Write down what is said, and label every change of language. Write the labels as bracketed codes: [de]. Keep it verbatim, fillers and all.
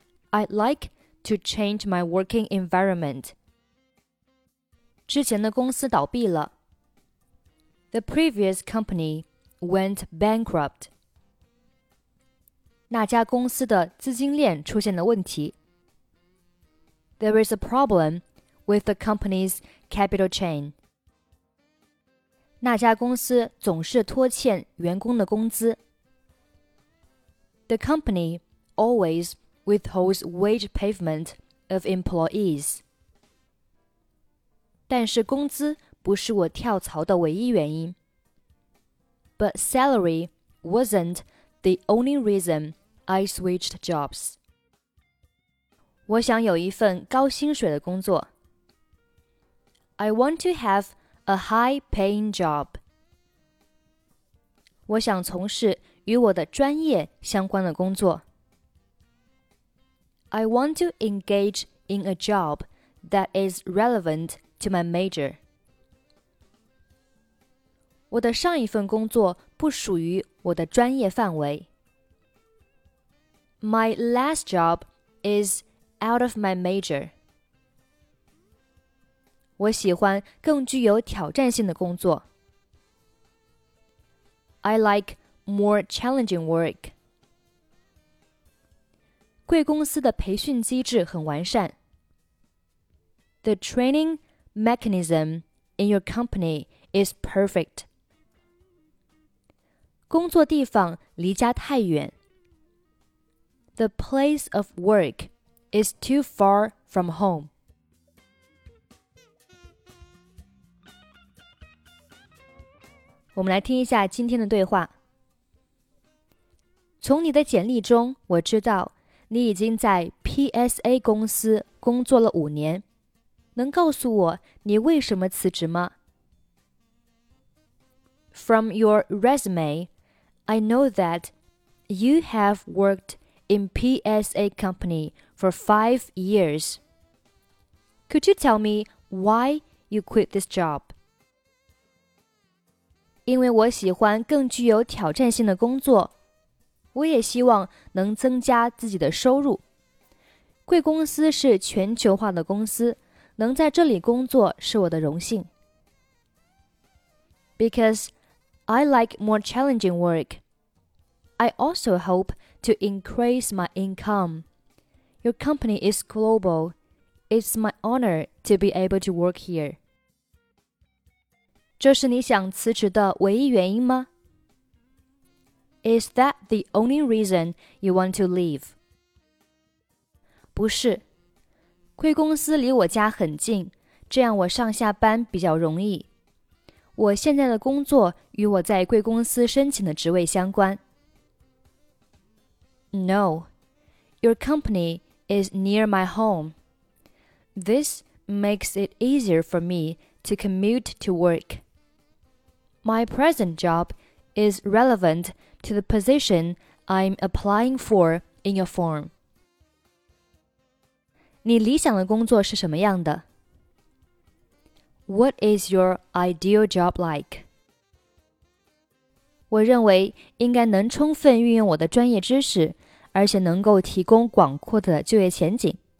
[en] I'd like. To change my working environment. [zh] 之前的公司倒闭了。 [en] The previous company went bankrupt. [zh] 那家公司的资金链出现了问题。 [en] There is a problem with the company's capital chain. [zh] 那家公司总是拖欠员工的工资。 [en] The company always. Withholds wage payment of employees. [zh] 但是工资不是我跳槽的唯一原因。 [en] But salary wasn't the only reason I switched jobs. [zh] 我想有一份高薪水的工作。 [en] I want to have a high-paying job. [zh] 我想从事与我的专业相关的工作。 [en] I want to engage in a job that is relevant to my major. [zh] 我的上一份工作不属于我的专业范围。 [en] My last job is out of my major. [zh] 我喜欢更具有挑战性的工作。 [en] I like more challenging work. [zh] 贵公司的培训机制很完善。 [en] The training mechanism in your company is perfect. [zh] 工作地方离家太远。 [en] The place of work is too far from home. [zh] 我们来听一下今天的对话。从你的简历中，我知道你已经在 P S A 公司工作了五年，能告诉我你为什么辞职吗？ [en] From your resume, I know that you have worked in P S A company for five years. Could you tell me why you quit this job? [zh] 因为我喜欢更具有挑战性的工作。我也希望能增加自己的收入。贵公司是全球化的公司，能在这里工作是我的荣幸。 [en] Because I like more challenging work, I also hope to increase my income. Your company is global. It's my honor to be able to work here. [zh] 这是你想辞职的唯一原因吗？ [en] Is that the only reason you want to leave? [zh] 不是，贵公司离我家很近，这样我上下班比较容易。我现在的工作与我在贵公司申请的职位相关。 [en] No, your company is near my home. This makes it easier for me to commute to work. My present job is relevant to the position I'm applying for in your form. [zh] 你理想的工作是什么样的？ [en] What is your ideal job like? [zh] 我认为应该能充分运用我的专业知识，而且能够提供广阔的就业前景。